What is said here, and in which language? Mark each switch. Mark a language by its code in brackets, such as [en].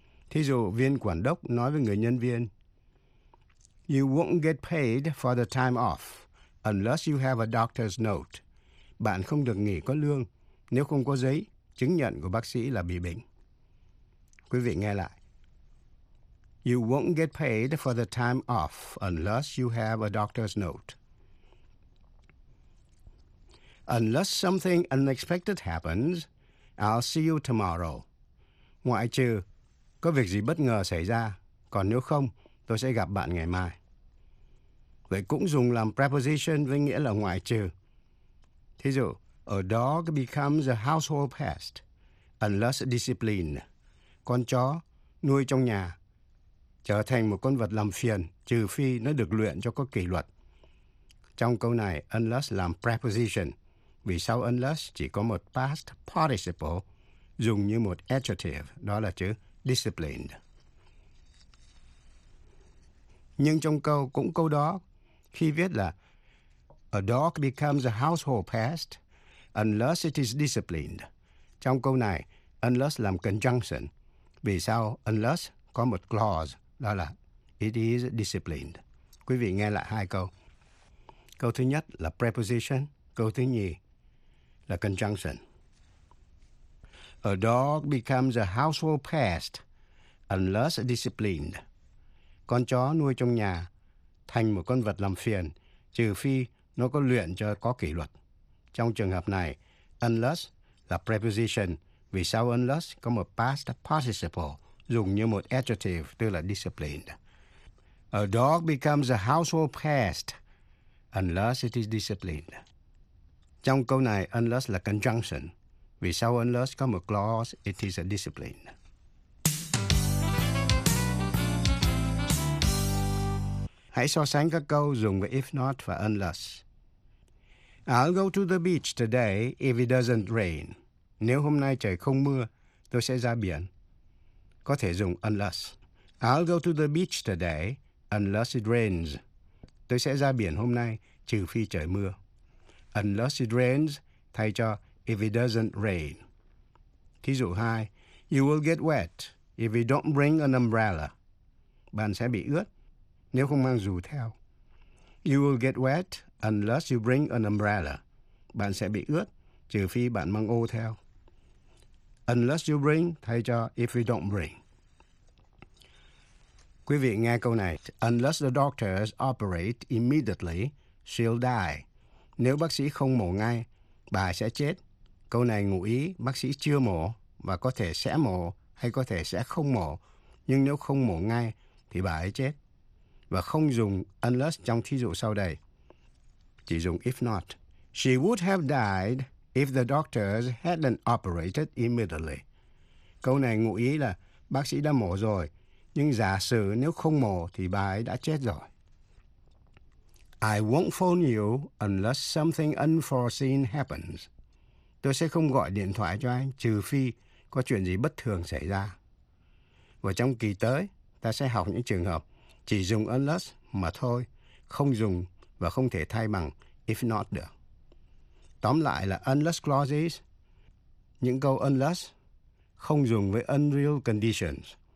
[vi] Thí dụ, viên quản đốc nói với người nhân viên, [en] you won't get paid for the time off unless you have a doctor's note. [vi] Bạn không được nghỉ có lương nếu không có giấy chứng nhận của bác sĩ là bị bệnh. Quý vị nghe lại. [en] You won't get paid for the time off unless you have a doctor's note. Unless something unexpected happens, I'll see you tomorrow. [vi] Ngoại trừ có việc gì bất ngờ xảy ra, còn nếu không, tôi sẽ gặp bạn ngày mai. Vậy cũng dùng làm preposition với nghĩa là ngoại trừ. Thí dụ, [en] a dog becomes a household pest unless disciplined. [vi] Con chó nuôi trong nhà trở thành một con vật làm phiền trừ phi nó được luyện cho có kỷ luật. Trong câu này, unless làm preposition. Vì sau unless chỉ có một past participle dùng như một adjective, đó là chữ disciplined. Nhưng trong câu, cũng câu đó, khi viết là [en] a dog becomes a household pest unless it is disciplined. [vi] Trong câu này, unless làm conjunction. Vì sau unless có một clause, đó là [en] it is disciplined. [vi] Quý vị nghe lại hai câu. Câu thứ nhất là preposition, câu thứ nhì là conjunction. [en] A dog becomes a household pest unless disciplined. [vi] Con chó nuôi trong nhà thành một con vật làm phiền trừ phi nó có luyện cho có kỷ luật. Trong trường hợp này, unless là preposition vì sau unless có một past participle dùng như một adjective tức là disciplined. [en] A dog becomes a household pest unless it is disciplined. [vi] Trong câu này, unless là conjunction. Vì sau unless có một clause, [en] it is a discipline. [vi] Hãy so sánh các câu dùng với if not và unless. [en] I'll go to the beach today if it doesn't rain. [vi] Nếu hôm nay trời không mưa, tôi sẽ ra biển. Có thể dùng unless. [en] I'll go to the beach today unless it rains. [vi] Tôi sẽ ra biển hôm nay trừ phi trời mưa. [en] Unless it rains, [vi] thay cho [en] if it doesn't rain. [vi] Thí dụ [en] 2, you will get wet if you don't bring an umbrella. [vi] Bạn sẽ bị ướt nếu không mang dù theo. [en] You will get wet unless you bring an umbrella. [vi] Bạn sẽ bị ướt trừ phi bạn mang ô theo. [en] Unless you bring, [vi] thay cho [en] if you don't bring. [vi] Quý vị nghe câu này. [en] Unless the doctors operate immediately, she'll die. [vi] Nếu bác sĩ không mổ ngay, bà sẽ chết. Câu này ngụ ý bác sĩ chưa mổ và có thể sẽ mổ hay có thể sẽ không mổ. Nhưng nếu không mổ ngay, thì bà ấy chết. Và không dùng unless trong thí dụ sau đây. Chỉ dùng if not. [en] She would have died if the doctors hadn't operated immediately. [vi] Câu này ngụ ý là bác sĩ đã mổ rồi, nhưng giả sử nếu không mổ thì bà ấy đã chết rồi. [en] I won't phone you unless something unforeseen happens. [vi] Tôi sẽ không gọi điện thoại cho anh trừ phi có chuyện gì bất thường xảy ra. Và trong kỳ tới, ta sẽ học những trường hợp chỉ dùng unless mà thôi, không dùng và không thể thay bằng if not được. Tóm lại là unless clauses, những câu unless không dùng với [en] unreal conditions.